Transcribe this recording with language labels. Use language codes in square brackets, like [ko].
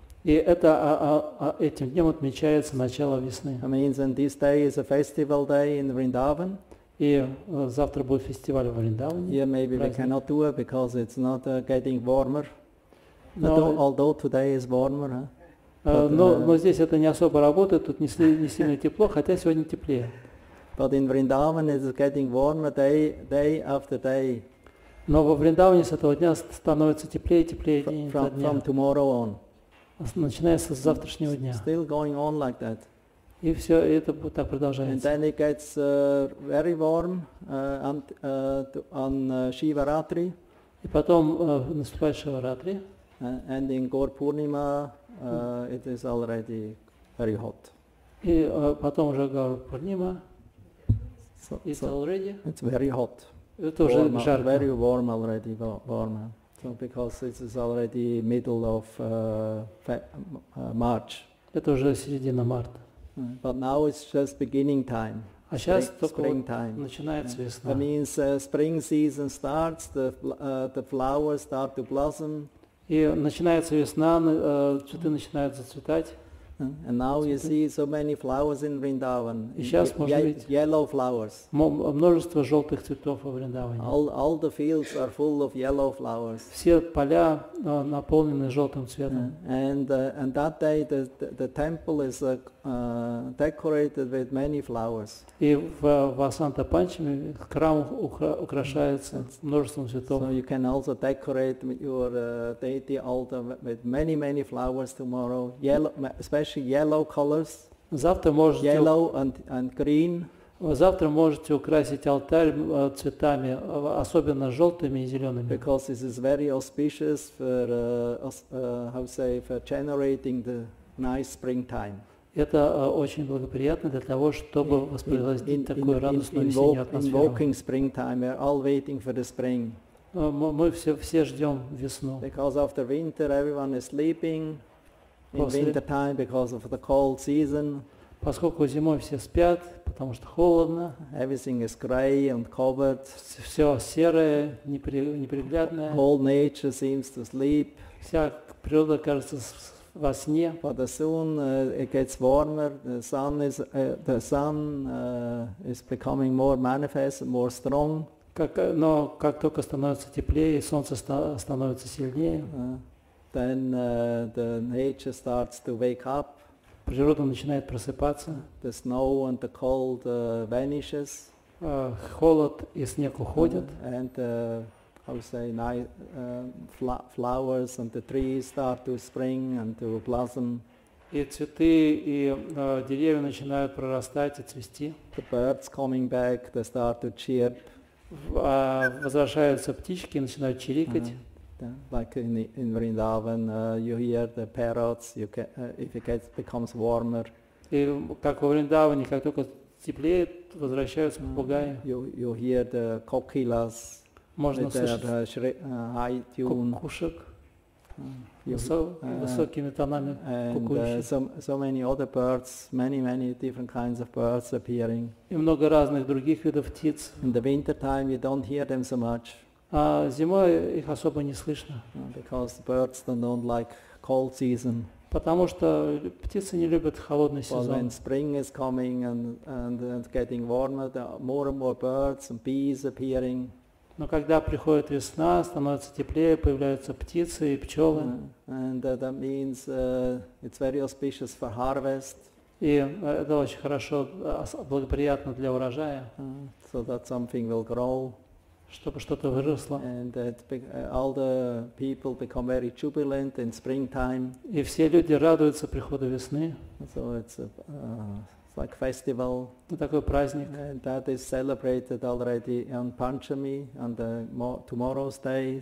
[ru] И это этим днем отмечается начало весны. [en] It means and this day is a festival day in Vrindavan. [ru] И завтра будет фестиваль в Вриндаване. [en] Yeah, maybe we cannot do it because it's not getting warmer. Although today is warmer. [ru] Но здесь это не особо работает, тут не сильно тепло, хотя сегодня теплее. [en] But in Vrindavan it is getting warmer day after day. [ru] Но во Вриндаване с этого дня становится теплее и теплее день за днем. [en] From tomorrow on. [ru] Начиная с завтрашнего дня. [en] Still going on like that. [ru] И все это так продолжается. [en] And then it gets very warm on Shivaratri. [ru] И потом наступает Шиваратри. [en] And in Gaur Purnima it is already very hot. [ru] И потом уже Гаур Пурнима. [en] It's very hot. [ru] Это уже жарко. [en] Very warm already, warm. So because this is already middle of March. [ru] Это уже середина марта. [en] But now it's just beginning time. [ru] А сейчас springtime. Начинается весна. [en] That means spring season starts. The flowers start to blossom. [ru] И начинается весна, цветы начинают зацветать. [en] And now you see so many flowers in Vrindavan. [ru] И сейчас можно видеть [en] yellow flowers. [ru] Множество желтых цветов во Вриндаване. [en] All the fields are full of yellow flowers. [ru] Все поля наполнены желтым цветом. [en] And that day the temple is decorated with many flowers. [ru] И в Vasanta Panchami храм украшается множеством цветов. [en] So you can also decorate your deity altar with many many flowers tomorrow, yellow, especially yellow colors. [ru] Завтра можете [en] yellow and green. [ru] Завтра можете украсить алтарь цветами, особенно желтыми и зелеными. [en] Because this is very auspicious for for generating the nice springtime. [ru] Это очень благоприятно для того, чтобы воспроизводить такую радостную весеннюю атмосферу. [en] Invoking springtime, we're all waiting for the spring. [ru] Мы все ждем весну. [en] Because after winter, everyone is sleeping. In winter time, because of the cold season. [ru] Поскольку зимой все спят, потому что холодно. [en] Everything is grey and covered. [ru] Все серое, неприглядное. [en] All nature seems to sleep. [ru] Вся природа кажется во сне. [en] But soon it gets warmer. The sun is becoming more manifest, more strong. [ru] Как только становится теплее, солнце становится сильнее. [en] Then the nature starts to wake up. [ru] Природа начинает просыпаться. [en] The snow and the cold vanishes. [ru] Холод и снег уходят. [en] Flowers and the trees start to spring and to blossom. [ru] И цветы и деревья начинают прорастать и цвести. [en] The birds coming back, they start to chirp. [ru] Возвращаются птички и начинают чирикать. Uh-huh. [en] Like in Vrindavan, you hear the parrots. You can, if it becomes warmer. [ru] И как во Вриндаване, как только теплеет, возвращаются попугаи. [en] You hear the kokilas. [ru] Можно слышать [en] high tune. [ru] Кукушек. Высокими тонами кукушек. [en] So many other birds, many different kinds of birds appearing. [ru] И много разных других видов птиц. [en] In the winter time, you don't hear them so much. [ru] А зимой их особо не слышно. [en] Because birds don't like cold season. [ru] Потому что птицы не любят холодный сезон. [en] When spring is coming and getting warmer, there are more and more birds and bees appearing. [ru] Но когда приходит весна, становится теплее, появляются птицы и пчелы. [en] And that means it's very auspicious for harvest. [ru] И это очень хорошо, благоприятно для урожая. [en] So that something will grow. [ru] чтобы что-то выросло. [en] And that all the people become very jubilant in springtime. [ru] И все люди радуются приходу весны. [en] So it's a, like festival. [ru] Такой праздник. [en] And that is celebrated already on Panchami, on the tomorrow's day.